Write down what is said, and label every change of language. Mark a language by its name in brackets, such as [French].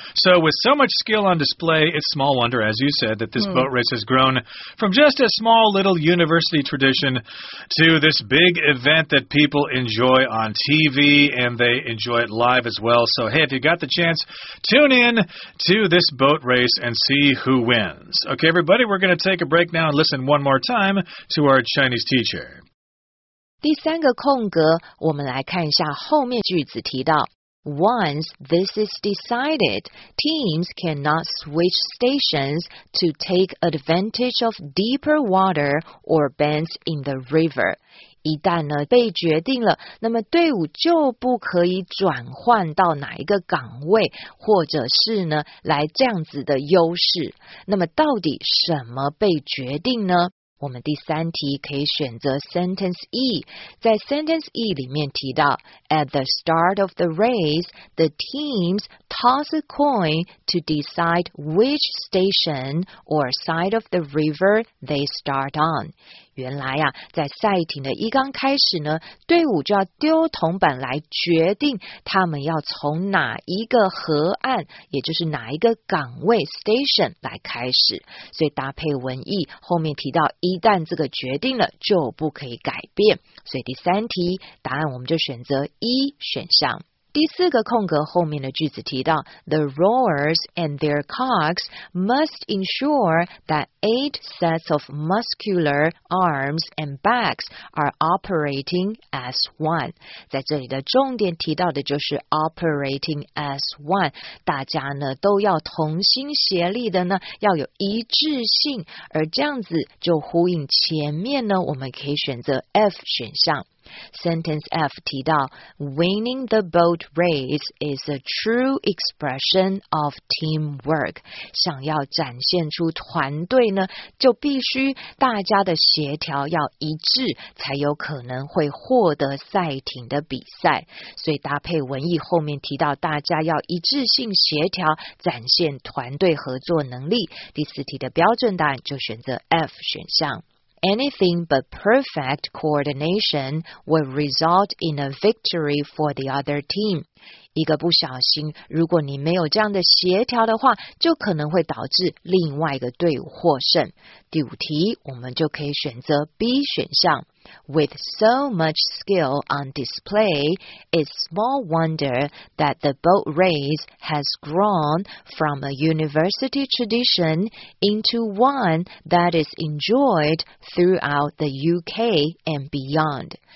[English] So with so much skill on display, it's small wonder, as you said, that this boat race has grown from just a small little university tradition to this big event that people enjoy on TV, and they enjoy it live as well. So, hey, if you got the chance, tune in to this boat race and see who wins. Okay, everybody, we're going to take a break now and listen one more time to our Chinese teacher. [Chinese] 第三个空格，我们来看一下后面句子提到。 [English] Once this is decided, teams cannot switch stations to take advantage of deeper water or bends in the river. [Chinese] 一旦呢被决定了，那么队伍就不可以转换到哪一个岗位，或者是呢来这样子的优势。那么到底什么被决定呢？我们第三题可以选择 [English] Sentence E， [Chinese] 在 Sentence E 里面提到 [English] At the start of the race, the teams toss a coin to decide which station or side of the river they start on。原来啊，在赛艇的一刚开始呢，队伍就要丢铜板来决定他们要从哪一个河岸，也就是哪一个岗位 station 来开始。所以搭配文意，后面提到一旦这个决定了就不可以改变，所以第三题答案我们就选择一选项。 [Chinese] 第四个空格后面的句子提到 [English] The rowers and their cogs must ensure that 8 sets of muscular arms and backs are operating as one。 [Chinese] 在这里的重点提到的就是 [English] operating as one， [Chinese] 大家呢都要同心协力的呢要有一致性，而这样子就呼应前面呢我们可以选择 F 选项。 Sentence F 提到 [English] Winning the boat race is a true expression of teamwork， [Chinese] 想要展现出团队呢就必须大家的协调要一致，才有可能会获得赛艇的比赛。所以搭配文意后面提到大家要一致性协调，展现团队合作能力，第四题的标准答案就选择 F 选项。 [English] Anything but perfect coordination will result in a victory for the other team. [Chinese] 一个不小心，如果你没有这样的协调的话，就可能会导致另外一个队伍获胜。第五题，我们就可以选择 B 选项。 [English] With so much skill on display, it's small wonder that the boat race has grown from a university tradition into one that is enjoyed throughout the UK and beyond.